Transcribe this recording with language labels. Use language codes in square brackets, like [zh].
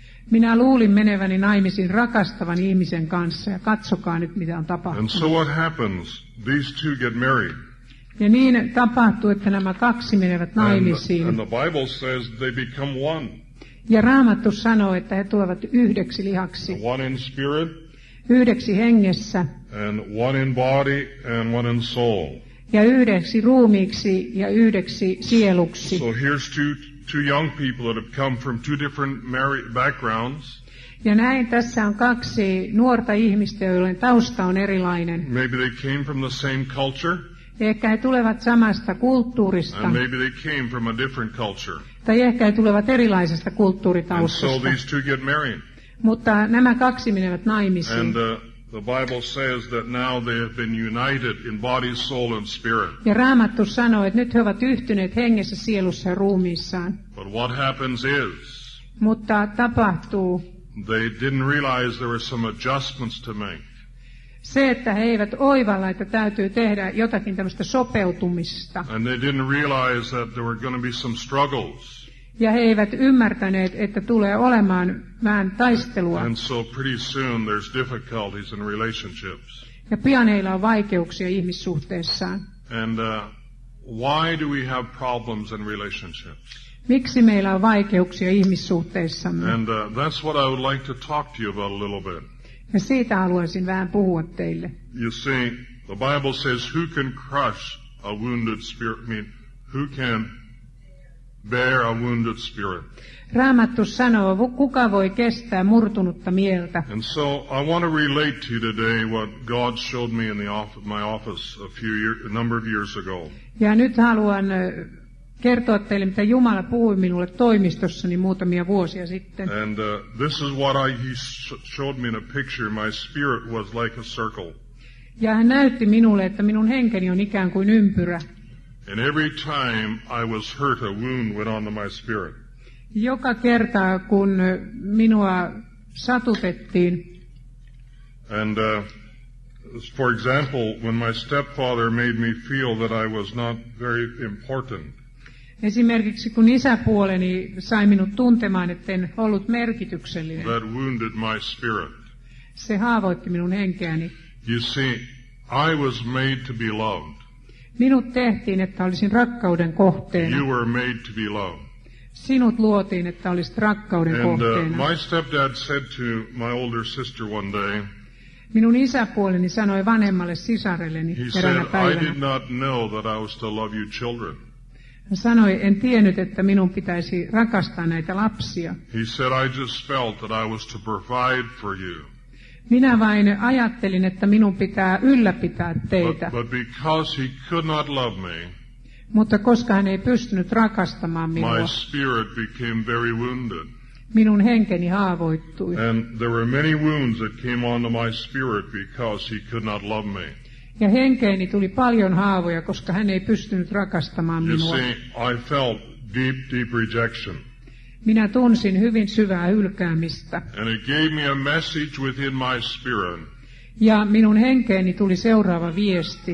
[fi] Minä luulin meneväni naimisiin rakastavan ihmisen kanssa ja katsokaa nyt, mitä on tapahtunut. [en] And so what happens? These two get married. [fi] Ja niin tapahtuu, että nämä kaksi menevät naimisiin. [en] And the Bible says they become one. [fi] Ja Raamattu sanoo, että he tulevat yhdeksi lihaksi. [en] The one in spirit. [fi] yhdeksi hengessä. [en] And one in body and one in soul. [fi] Ja yhdeksi ruumiiksi ja yhdeksi sieluksi. [en] So here's two young people that have come from two different backgrounds. [fi] Ja näin tässä on kaksi nuorta ihmistä, joiden tausta on erilainen. [en] Maybe they came from the same culture. [fi] Ehkä he tulevat samasta kulttuurista. [en] And maybe they came from a different culture. [fi] Tai ehkä he tulevat erilaisesta kulttuuritaustasta. [en] And so these two get married. [fi] Mutta nämä kaksi menevät naimisiin. [en] And the Bible says that now they have been united in body, soul and spirit. [fi] Ja Raamattu sanoo, että nyt he ovat yhtyneet hengessä, sielussa ja ruumiissaan. [en] But what happens is, [fi] mutta tapahtuu, [en] they didn't realize there were some adjustments to make. [fi] Se, että he eivät oivalla, että täytyy tehdä jotakin tämmöistä sopeutumista. [en] And they didn't realize that there were going to be some struggles. [fi] Ja he eivät ymmärtäneet, että tulee olemaan vähän taistelua. [en] And so pretty soon there's difficulties in relationships. [fi] Ja pian heillä on vaikeuksia ihmissuhteessaan. [en] And why do we have problems in relationships? [fi] Miksi meillä on vaikeuksia ihmissuhteissamme? [en] And that's what I would like to talk to you about a little bit. [fi] Ja siitä haluaisin vähän puhua teille. [en] You see, the Bible says, who can crush a wounded spirit? I mean, who can bear a wounded spirit? [fi] Raamattu sanoo, kuka voi kestää murtunutta mieltä? [en] And so I want to relate to you today what God showed me in the office, my office a number of years ago. [fi] Ja nyt haluan kertoa teille, mitä Jumala puhui minulle toimistossani muutamia vuosia sitten. [en] And this is what he showed me in a picture. My spirit was like a circle. [fi] Ja hän näytti minulle, että minun henkeni on ikään kuin ympyrä. [en] And every time I was hurt, a wound went onto my spirit. [fi] Joka kerta, kun minua satutettiin. [en] And for example, when my stepfather made me feel that I was not very important. [fi] Esimerkiksi kun isäpuoleni sai minut tuntemaan, etten ollut merkityksellinen. [en] That wounded my spirit. [fi] Se haavoitti minun henkeäni. [en] You see, I was made to be loved. [fi] Minut tehtiin, että olisin rakkauden kohteena. [en] You were made to be loved. [fi] Sinut luotiin, että olisit rakkauden kohteena. [en] And my stepdad said to my older sister one day. [fi] Minun isäpuoleni sanoi vanhemmalle sisarelleni eräänä päivänä. [en] I did not know that I was to love you children. [fi] Hän sanoi, en tiennyt, että minun pitäisi rakastaa näitä lapsia. [en] He said, I just felt that I was to provide for you. [fi] Minä vain ajattelin, että minun pitää ylläpitää teitä. [en] But because he could not love me, [fi] mutta koska hän ei pystynyt rakastamaan minua, [en] my spirit became very wounded. [fi] Minun henkeni haavoittui. [en] And there were many wounds that came onto my spirit because he could not love me. [fi] Ja henkeeni tuli paljon haavoja, koska hän ei pystynyt rakastamaan minua. [en] You see, I felt deep, deep rejection. [fi] Minä tunsin hyvin syvää hylkäämistä. [en] And it gave me a message within my spirit. [fi] Ja minun henkeeni tuli seuraava viesti.